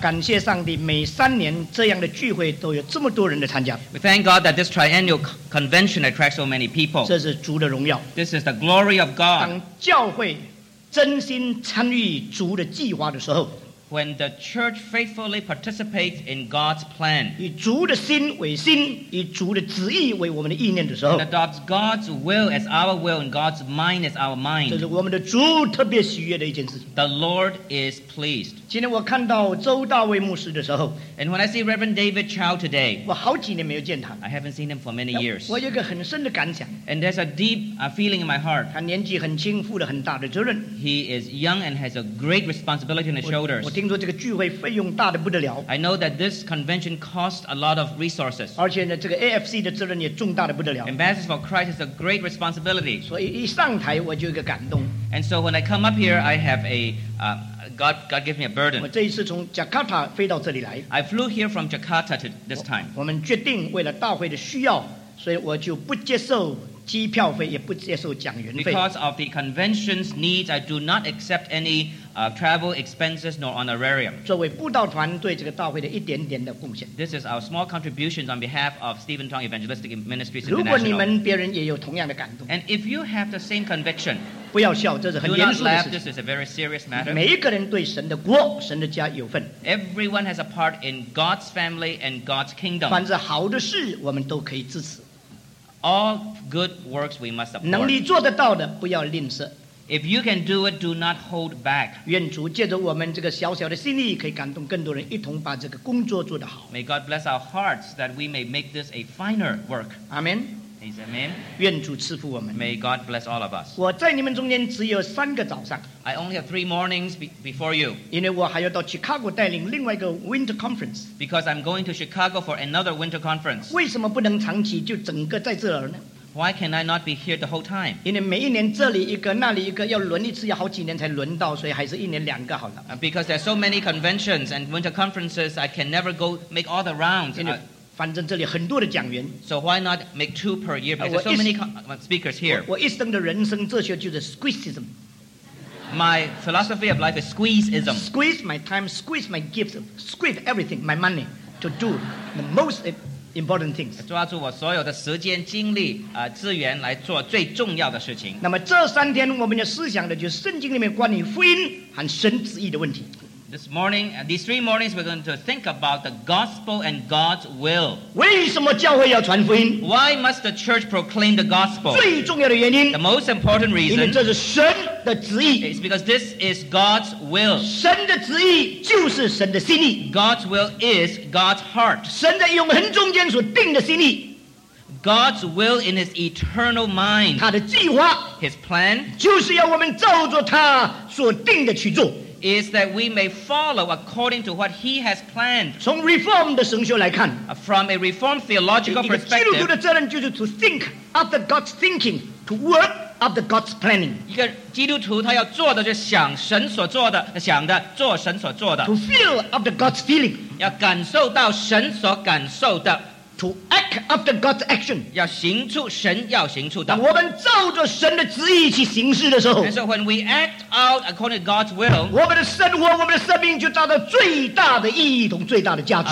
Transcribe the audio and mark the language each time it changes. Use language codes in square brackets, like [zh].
[zh] 感谢上帝，每3年这样的聚会都有这么多人的参加。 [en] We thank God that this triennial convention attracts so many people. [zh] 这是主的荣耀。 [en] This is the glory of God. [zh] 当教会真心参与主的计划的时候。 [en] When the church faithfully participates in God's plan, [zh] 以主的心为心，以主的旨意为我们的意念的时候， [en] and adopts God's will as our will and God's mind as our mind, [zh] 这是我们的主特别喜悦的一件事。 [en] The Lord is pleased. [zh] 今天我看到周大卫牧师的时候， [en] and when I see Reverend David Chow today, [zh] 我好几年没有见他。 [en] I haven't seen him for many years. [zh] 我有个很深的感想。 [en] And there's a deep feeling in my heart. [zh] 他年纪很轻，负了很大的责任。 [en] He is young and has a great responsibility on his shoulders. [zh] 听说这个聚会费用大得不得了。 [en] I know that this convention costs a lot of resources. [zh] 而且呢，这个 AFC 的责任也重大得不得了。 [en] Ambassadors for Christ is a great responsibility. [zh] 所以一上台我就有一个感动。 [en] And so when I come up here, I have a God gave me a burden. [zh] 我这一次从 Jakarta 飞到这里来。 [en] I flew here from Jakarta to this time. [zh] 我们决定为了大会的需要，所以我就不接受。机票费也不接受讲员费。 [en] Because of the convention's needs, I do not accept any travel expenses nor honorarium. [zh] 作为布道团对这个大会的一点点的贡献。 [en] This is our small contributions on behalf of Stephen Tong Evangelistic Ministries International. [zh] 如果你们别人也有同样的感动。 [en] And if you have the same conviction, [zh] 不要笑，这是很严肃的事。 [en] Do not laugh. This is a very serious matter. [zh] 每一个人对神的国、神的家有份。 [en] Everyone has a part in God's family and God's kingdom. [zh] 凡是好的事，我们都可以支持。 [en] All good works we must support. [zh] 能力做得到的不要吝啬。 [en] If you can do it, do not hold back. [zh] 愿主借着我们这个小小的心意，可以感动更多人，一同把这个工作做得好。 [en] May God bless our hearts that we may make this a finer work. Amen. Amen. [zh] 愿主赐福我们。 [en] May God bless all of us. [zh] 我在你们中间只有3个早上。 [en] I only have 3 mornings before you. [zh] 因为我还要到 Chicago 带领另外一个 [en] winter conference. Because I'm going to Chicago for another winter conference. [zh] 为什么不能长期就整个在这儿呢？ [en] Why can I not be here the whole time? [zh] 因为每一年这里一个，那里一个，要轮一次，要好几年才轮到，所以还是一年两个好了。 [en] Because there are so many conventions and winter conferences, I can never go make all the rounds. [zh] 因为反正这里很多的讲员。 [en] So why not make 2 per year? Because there are so many speakers here. [zh] 我一生的人生哲学就是 squeezeism. [en] My philosophy of life is squeezeism. Squeeze my time, squeeze my gifts, squeeze everything, my money, to do the most important things. [zh] 抓住我所有的时间精力资源来做最重要的事情。那么这3天我们要思想的就是圣经里面关于福音和神旨意的问题。 [en] This morning, these 3 mornings, we're going to think about the gospel and God's will. [zh] 为什么教会要传福音？ [en] Why must the church proclaim the gospel? [zh] 最重要的原因。 [en] The most important reason. [zh] 因为这是神的旨意。 [en] It's because this is God's will. [zh] 神的旨意就是神的心意。 [en] God's will is God's heart. [zh] 神在永恒中间所定的心意。 [en] God's will in his eternal mind. [zh] 他的计划。 [en] His plan. [zh] 就是要我们照着他所定的去做。 [en] Is that we may follow according to what he has planned. [zh] 从 reform 的神学来看， [en] from a reform theological perspective, [zh] 一个基督徒的责任就是 [en] to think after God's thinking, to work after God's planning. [zh] 一个基督徒他要做的就是想神所做的，想的做神所做的， [en] to feel after God's feeling, [zh] 要感受到神所感受的。 [en] To act after God's action. [zh] 要行出神要行出的。当我们照着神的旨意去行事的时候。 [en] And so when we act out according to God's will. [zh] 我们的生活，我们的生命就达到最大的意义同最大的价值。